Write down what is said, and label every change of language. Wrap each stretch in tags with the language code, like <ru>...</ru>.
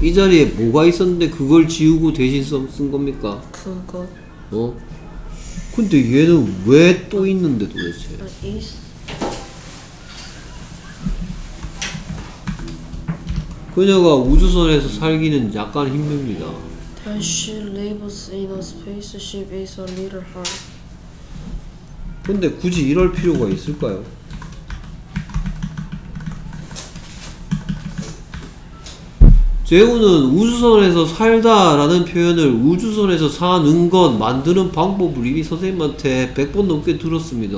<ko>이 자리에 뭐가 있었는데 그걸 지우고 대신 쓴 겁니까? 그거. 어? 근데 얘는 왜 또 있는데 도대체? 그녀가 우주선에서 살기는 약간 힘듭니다.</ko> <en>That she lives in a spaceship is a little hard.</en> <ko>근데 굳이 이럴 필요가 있을까요? 제우는 우주선에서 살다라는 표현을 우주선에서 사는 것 만드는 방법을 이미 선생님한테 100번 넘게 들었습니다.</ko>